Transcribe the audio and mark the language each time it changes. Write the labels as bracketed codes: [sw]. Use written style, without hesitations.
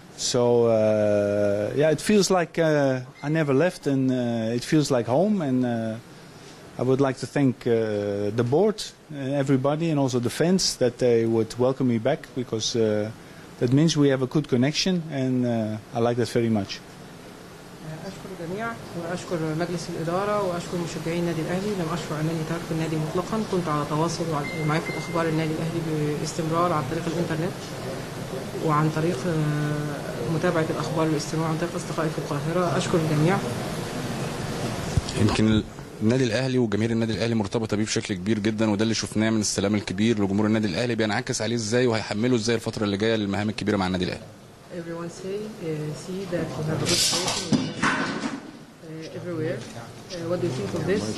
[en] So yeah, it feels like I never left, and it feels like home. And I would like to thank the board, everybody, and also the fans that they would welcome me back, because that means we have a good connection, and I like that very much. [ar] أشكر الجميع وأشكر مجلس الإدارة وأشكر مشجعي النادي الأهلي. لم أشعر أنني تركت النادي مطلقا، كنت على تواصل ومعرفة أخبار النادي الأهلي باستمرار عن طريق الإنترنت وعن طريق متابعة الأخبار باستمرار عن طريق أصدقائي في القاهرة. أشكر الجميع. يمكن النادي الاهلي وجماهير النادي الاهلي مرتبطه بيه بشكل كبير جدا، وده اللي شفناه من السلام الكبير لجمهور النادي الاهلي بينعكس عليه ازاي وهيحمله ازاي الفتره اللي جايه للمهام الكبيره مع النادي الاهلي. [en] Everyone see that you have a good situation everywhere. What do you think of this?